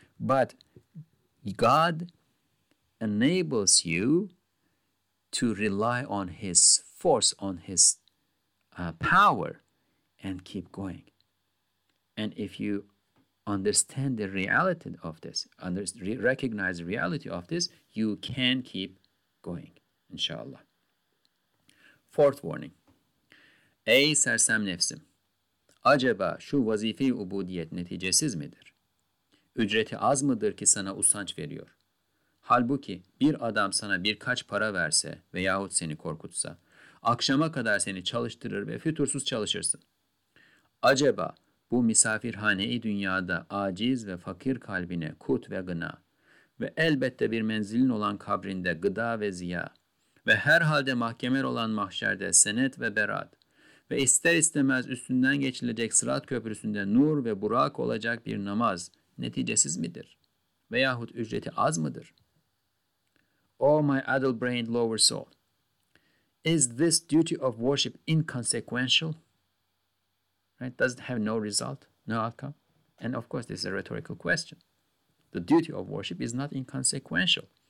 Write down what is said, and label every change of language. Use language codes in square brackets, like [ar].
[en] But God enables you to rely on His force, on His power, and keep going. And if you understand the reality of this, recognize the reality of this, you can keep going, inshallah. 4th warning. [tr] Ey sersem nefsim! Acaba şu vazife-i ubudiyet neticesiz midir? Ücreti az mıdır ki sana usanç veriyor? Halbuki bir adam sana birkaç para verse veyahut seni korkutsa, akşama kadar seni çalıştırır ve fütursuz çalışırsın. Acaba bu misafirhane-i dünyada aciz ve fakir kalbine kut ve gına ve elbette bir menzilin olan kabrinde gıda ve ziya ve herhalde mahkemer olan mahşerde senet ve berat ve ister istemez üstünden geçilecek sırat köprüsünde nur ve burak olacak bir namaz neticesiz midir? Veyahut ücreti az mıdır? [en] Oh my addle-brained lower soul, is this duty of worship inconsequential? Right? Does it have no result, no outcome? And of course, this is a rhetorical question. The duty of worship is not inconsequential.